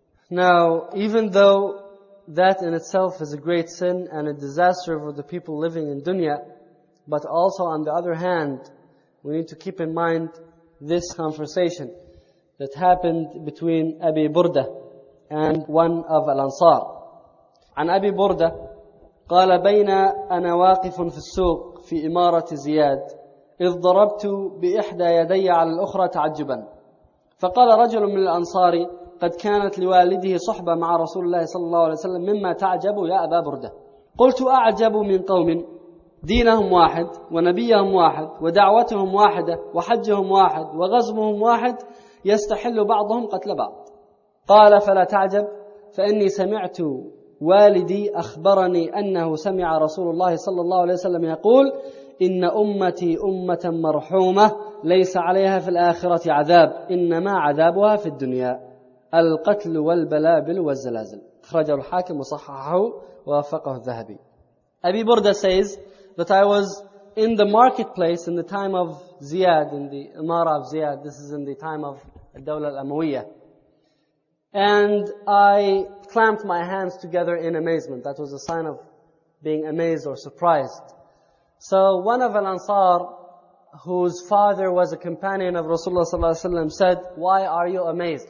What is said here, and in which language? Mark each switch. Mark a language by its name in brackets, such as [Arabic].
[English] Now, even though that in itself is a great sin and a disaster for the people living in dunya, but also on the other hand, we need to keep in mind this conversation that happened between Abi Burda and one of Al-Ansar. [Arabic] عن أبي بردة قال بين أنا واقف في السوق في إمارة زياد إذ ضربت بإحدى يدي على الأخرى تعجبا فقال رجل من الأنصار قد كانت لوالده صحبة مع رسول الله صلى الله عليه وسلم مما تعجب يا أبا بردة قلت أعجب من قوم دينهم واحد ونبيهم واحد ودعوتهم واحدة وحجهم واحد وغزمهم واحد يستحل بعضهم قتل بعض قال فلا تعجب فإني سمعت والدي أخبرني أنه سمع رسول الله صلى الله عليه وسلم يقول إن أمتي أمة مرحومة ليس عليها في الآخرة عذاب إنما عذابها في الدنيا القتل والبلابل والزلازل أخرجه الحاكم وصححه ووافقه الذهبي. [English] أبي بردة says that I was in the marketplace in the time of Ziyad, in the Imara of Ziyad. This is in the time of [Arabic] الدولة الأموية. [English] And I clamped my hands together in amazement. That was a sign of being amazed or surprised. So one of Al-Ansar, whose father was a companion of Rasulullah sallallahu alayhi wa sallam, said, why are you amazed?